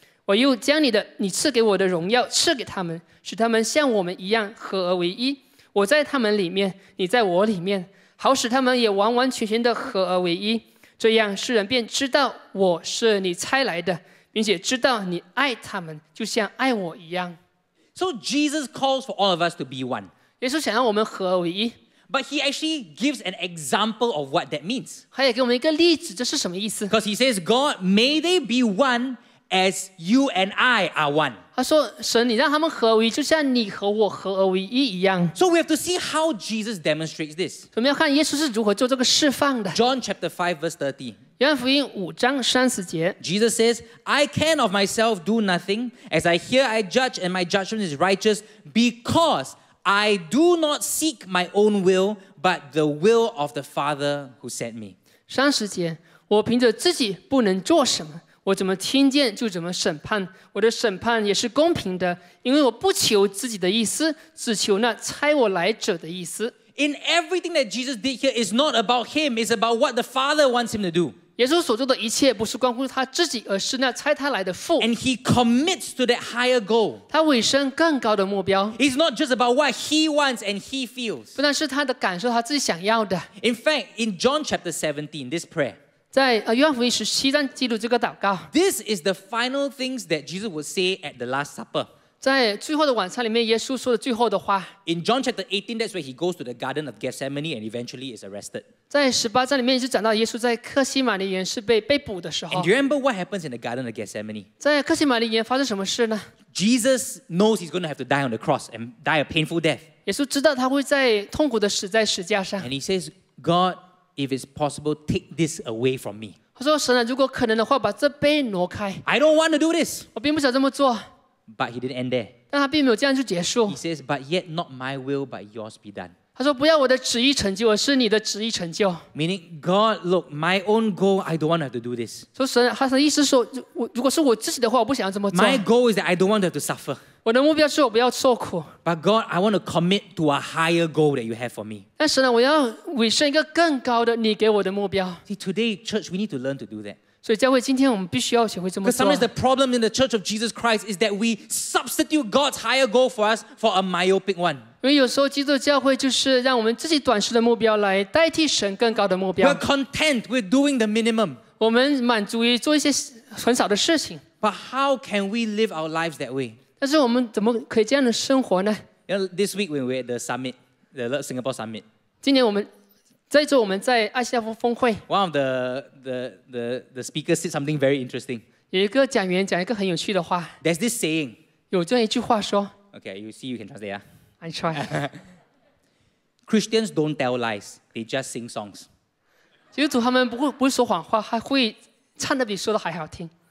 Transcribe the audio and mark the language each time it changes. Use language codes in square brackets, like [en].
[zh] 我又将你赐给我的荣耀赐给他们，使他们像我们一样合而为一，我在他们里面，你在我里面，好使他们也完完全全的合而为一，这样世人便知道我是你差来的，并且知道你爱他们，就像爱我一样。 [en] So Jesus calls for all of us to be one. [zh] 耶稣想要我们合而为一。 [en] But he actually gives an example of what that means. [zh] 他也给我们一个例子，这是什么意思？ [en] Because he says, God, may they be one as you and I are one. [zh] 他说，神，你让他们合而为一，就像你和我合而为一一样。 [en] So we have to see how Jesus demonstrates this. [zh] 我们要看耶稣是如何做这个示范的。 [en] John chapter 5 verse 30. [zh] 约翰福音五章三十节 [en] Jesus says, I can of myself do nothing. As I hear, I judge, and my judgment is righteous because I do not seek my own will, but the will of the Father who sent me. [zh] 三十节，我凭着自己不能做什么，我怎么听见就怎么审判，我的审判也是公平的，因为我不求自己的意思，只求那差我来者的意思。 [en] In everything that Jesus did here is not about him, it's about what the Father wants him to do. [zh] 耶稣所做的一切不是关乎他自己，而是那差他来的父。 [en] And he commits to that higher goal. [zh] 他委身更高的目标。 [en] It's not just about what he wants and he feels. [zh] 不但是他的感受，他自己想要的。 [en] In fact, in John chapter 17, this prayer. [zh] 在约翰福音十七章记录这个祷告。 [en] This is the final things that Jesus would say at the Last Supper. [zh] 在最后的晚餐里面，耶稣说的最后的话。 [en] In John chapter 18, that's where he goes to the Garden of Gethsemane and eventually is arrested. [zh] 在十八章里面就讲到耶稣在客西马尼园是被捕的时候。 [en] And do you remember what happens in the Garden of Gethsemane? [zh] 在客西马尼园发生什么事呢？ [en] Jesus knows he's going to have to die on the cross and die a painful death. [zh] 耶稣知道他会在痛苦的死在十字架上。 [en] And he says, God. If it's possible, take this away from me. [zh] 他说：“神啊，如果可能的话，把这杯挪开。” [en] I don't want to do this. [zh] 我并不想这么做。 [en] But he didn't end there. [zh] 但他并没有这样就结束。 [en] He says, "But yet not my will, but yours be done." [zh] 他说：“不要我的旨意成就，而是你的旨意成就。” [en] Meaning, God, look, my own goal, I don't want to have to do this. [zh] 说神，他的意思说，如果是我自己的话，我不想要这么做。 [en] My goal is that I don't want to have to suffer. [zh] 我的目标是我不要受苦。 [en] But God, I want to commit to a higher goal that you have for me. [zh] 但神啊，我要委身一个更高的你给我的目标。 [en] See, today, church, we need to learn to do that. [zh] 所以教会今天我们必须要学会这么做。 [en] Because sometimes the problem in the church of Jesus Christ is that we substitute God's higher goal for us for a myopic one. [zh] 因为有时候基督教会就是让我们自己短视的目标来代替神更高的目标。 [en] We're content with doing the minimum. [zh] 我们满足于做一些很少的事情。 [en] But how can we live our lives that way? [zh] 但是我们怎么可以这样的生活呢？ [en] You know, this week when we were at the summit, the Singapore summit. [zh] 今年我们在座我们在爱西亚峰会。 [en] One of the speakers said something very interesting. [zh] 有一个讲员讲一个很有趣的话。 [en] There's this saying. [zh] 有这样一句话说。 [en] Okay, you see you can translate, yeah? I try. Christians don't tell lies, they just sing songs. [zh] 基督徒他们不会说谎话，还会唱得比说的还好听。